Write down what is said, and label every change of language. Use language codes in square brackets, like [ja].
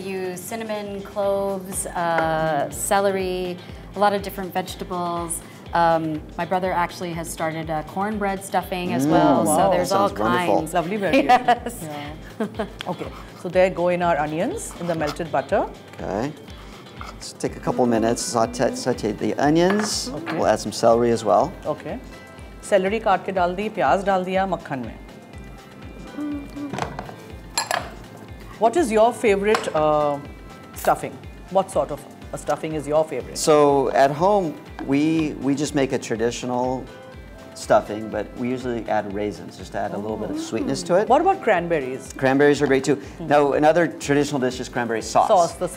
[en] we use cinnamon cloves celery a lot of different vegetables my brother actually has started a cornbread stuffing as well, wow. so there's Sounds all kinds. Wonderful. Lovely variation. Yes. Yeah. Okay, so there go in our onions in the melted butter. Okay, let's take a couple minutes, saute the onions. Okay. We'll add some celery as well. Okay. [hi] Celery काट के डाल दी, प्याज डाल दिया मक्खन में. [en] What is your favorite stuffing? What sort of a stuffing is your favorite? So at home, we just make a traditional stuffing, but we usually add raisins, just to add a little bit of sweetness to it. What about cranberries? Cranberries are great too. Now, another traditional dish is cranberry sauce.